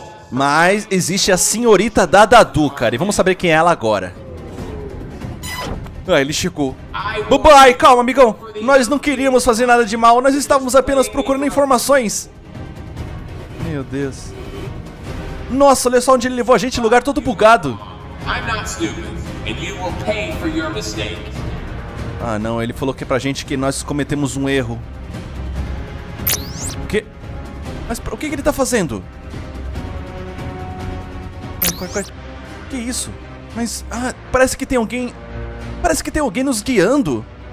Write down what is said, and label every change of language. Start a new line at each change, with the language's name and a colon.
Portuguese: Mas existe a senhorita Dadadu, cara, e vamos saber quem é ela agora. Ah, ele chegou. Bambam Ai, calma, amigão. Nós não queríamos fazer nada de mal, nós estávamos apenas procurando informações. Meu Deus. Nossa, olha só onde ele levou a gente, lugar todo bugado.
English: I'm not stupid, and you will pay for your mistake.
Portuguese: Ah não, ele falou que é pra gente que nós cometemos um erro. O quê? Mas o que ele tá fazendo? Que isso? Mas, parece que tem alguém nos guiando.